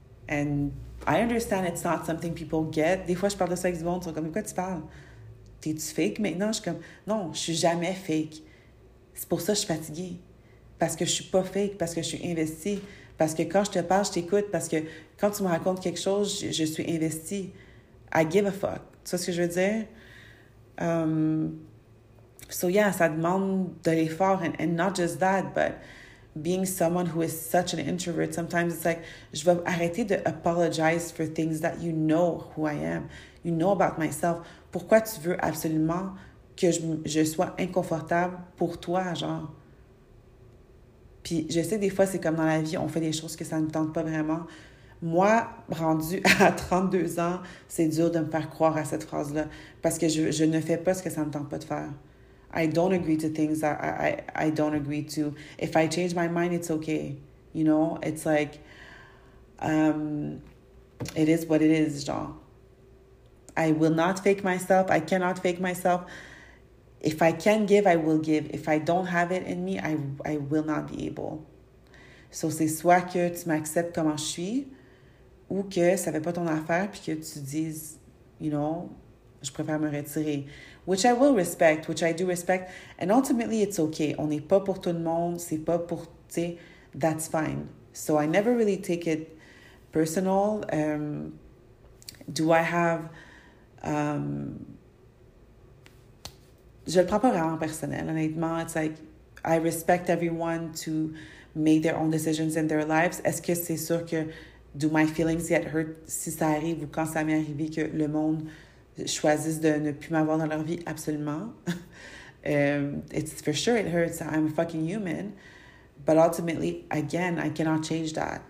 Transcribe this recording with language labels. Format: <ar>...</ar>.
<en>And I understand it's not something people get.</en> <fr>Des fois, je parle de ça avec du monde, ils sont comme, pourquoi tu parles? T'es-tu fake maintenant? Je suis comme, non, je suis jamais fake. C'est pour ça que je suis fatiguée. Parce que je suis pas fake, parce que je suis investie. Parce que quand je te parle, je t'écoute. Parce que quand tu me racontes quelque chose, je suis investie.</fr> <en>I give a fuck.</en> <fr>Tu vois ce que je veux dire?</fr> <en>So yeah,</en> <fr>ça demande de l'effort</fr> <en>and not just that, but being someone who is such an introvert, sometimes it's like,</en> <fr>je vais arrêter de</fr> <en>apologize for things that you know who I am, you know about myself.</en> <fr>Pourquoi tu veux absolument que je sois inconfortable pour toi, genre? Puis je sais des fois, c'est comme dans la vie, on fait des choses que ça ne tente pas vraiment. Moi, rendue à 32 ans, c'est dur de me faire croire à cette phrase-là parce que je ne fais pas ce que ça ne tente pas de faire.</fr> <en>I don't agree to things that I don't agree to. If I change my mind, it's okay. You know, it's like, it is what it is, genre. I will not fake myself. I cannot fake myself. If I can give, I will give. If I don't have it in me, I will not be able.</en> <fr>So c'est soit que tu m'acceptes comment je suis, ou que ça fait pas ton affaire, puis que tu dises,</fr> <en>you know,</en> <fr>je préfère me retirer.</fr> <en>Which I will respect, which I do respect. And ultimately, it's okay.</en> <fr>On n'est pas pour tout le monde. C'est pas pour, tu sais,</fr> <en>that's fine. So I never really take it personal. Do I have...</en> <fr>je le prends pas vraiment personnel, honnêtement.</fr> <en>It's like, I respect everyone to make their own decisions in their lives.</en> <fr>Est-ce que c'est sûr que,</fr> <en>do my feelings get hurt</en> <fr>si ça arrive ou quand ça m'est arrivé que le monde... choisissent de ne plus m'avoir dans leur vie, absolument.</fr> <en>It's for sure it hurts. I'm a fucking human. But ultimately, again, I cannot change that.</en>